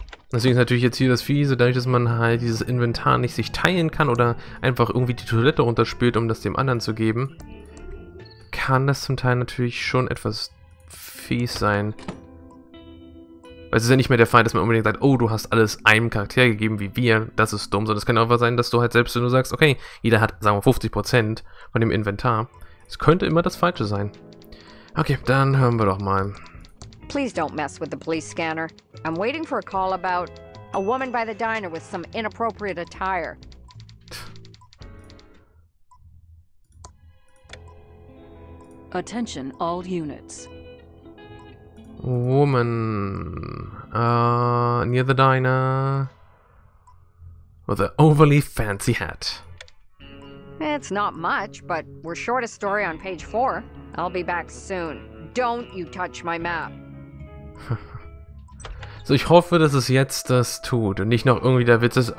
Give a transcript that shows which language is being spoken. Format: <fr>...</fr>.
<de>Deswegen ist natürlich jetzt hier das Fiese, dadurch, dass man halt dieses Inventar nicht sich teilen kann oder einfach irgendwie die Toilette runterspült, um das dem anderen zu geben, kann das zum Teil natürlich schon etwas fies sein. Weil es ist ja nicht mehr der Fall, dass man unbedingt sagt, oh, du hast alles einem Charakter gegeben wie wir, das ist dumm, sondern es kann auch sein, dass du halt selbst, wenn du sagst, okay, jeder hat, sagen wir, 50% von dem Inventar, es könnte immer das Falsche sein. Okay, dann hören wir doch mal.</de> <en>Please don't mess with the police scanner. I'm waiting for a call about a woman by the diner with some inappropriate attire. Attention, all units. Woman. Near the diner. With an overly fancy hat. It's not much, but we're short a story on page 4. I'll be back soon. Don't you touch my map.</en> <de>So ich hoffe, dass es jetzt das tut und nicht noch irgendwie der Witz ist.</de>